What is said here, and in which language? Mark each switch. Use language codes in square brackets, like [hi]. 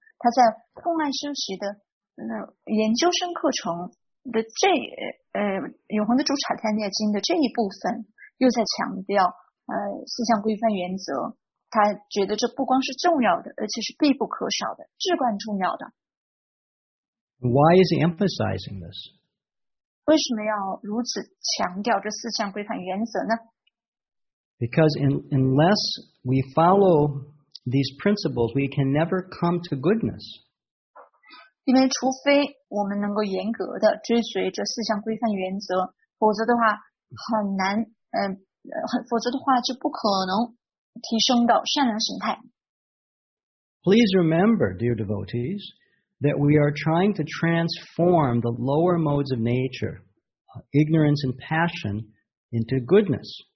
[zh] 他在课外修习的研究生课程的这永恒的主产坛涅经的这一部分又在强调四项规范原则。他觉得这不光是重要的，而且是必不可少的，至关重要的。 [en] Why is he emphasizing this? [zh] 为什么要如此强调这四项规范原则呢？ [en] Because unless we follow these principles, we can never come to goodness. [zh] 因为除非我们能够严格的追随这四项规范原则，否则的话很难，否则的话就不可能提升到善良形态。 [en] Please remember, dear devotees,that we are trying to transform the lower modes of nature, ignorance and passion, into goodness.